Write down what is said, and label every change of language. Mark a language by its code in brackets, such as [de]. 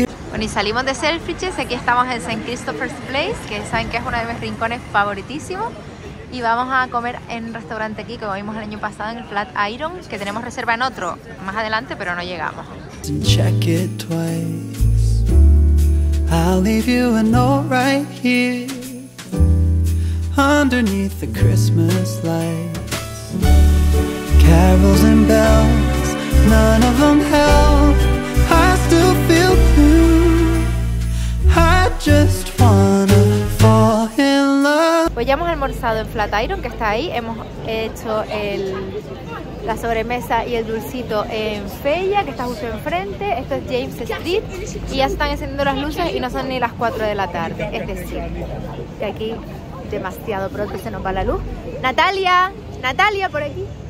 [es] Bueno, y salimos de Selfridges, aquí estamos en St. Christopher's Place, que saben que es uno de mis rincones favoritísimos, y vamos a comer en un restaurante aquí que comimos el año pasado, en Flat Iron, que tenemos reserva en otro más adelante, pero no llegamos. [en] Check it twice. I'll leave you a note right here underneath the Christmas lights. Carols and bells, none of them help. I still feel blue. I just wanna fall in love. [es] Pues ya hemos almorzado en Flatiron, que está ahí. Hemos hecho la sobremesa y el dulcito en Feya, que está justo enfrente. Esto es James Street. Y ya se están encendiendo las luces y no son ni las 4 de la tarde. Es decir, que aquí demasiado pronto se nos va la luz. ¡Natalia! ¡Natalia, por aquí!